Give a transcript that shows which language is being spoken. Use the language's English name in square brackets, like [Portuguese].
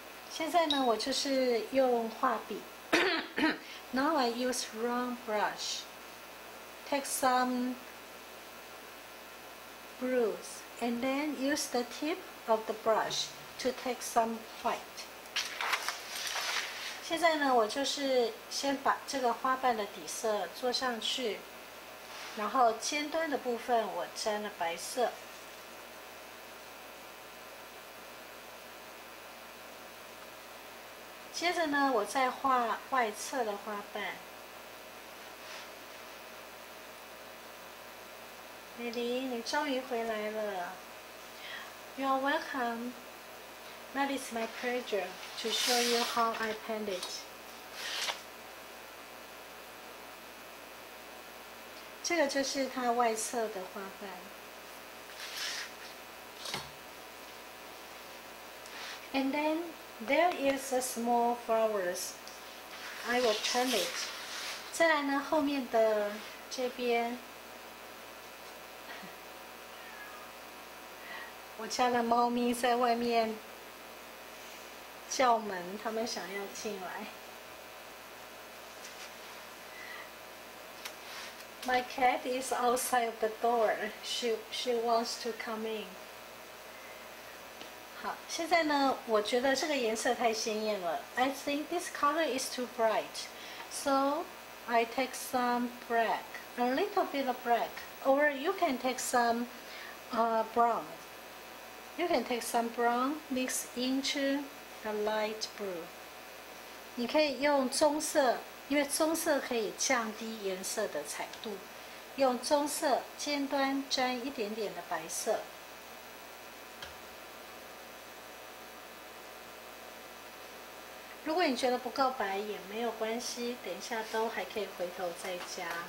[Chinese] 现在呢，我就是用画笔。 [English] Now I use round brush. Take some blues. And then use the tip of the brush to take some white. [Chinese] 现在呢，我就是先把这个花瓣的底色做上去，然后尖端的部分我沾了白色。接着呢，我再画外侧的花瓣。美玲，你终于回来了。 [English] You are welcome. [Chinese] That is my pleasure to show you how I paint it. 这个就是它外侧的花瓣。 [English] And then there is a small flowers. I will paint it. [Chinese] 再来呢，后面的这边。我家的猫咪在外面叫门，他们想要进来。 [English] My cat is outside of the door. She wants to come in. [Chinese] 好，现在呢，我觉得这个颜色太鲜艳了。 [English] I think this color is too bright. So I take some black, a little bit of black, or you can take some brown. You can take some brown, mix into a light blue. [Chinese] 你可以用棕色，因为棕色可以降低颜色的彩度。用棕色尖端沾一点点的白色。如果你觉得不够白也没有关系，等一下都还可以回头再加。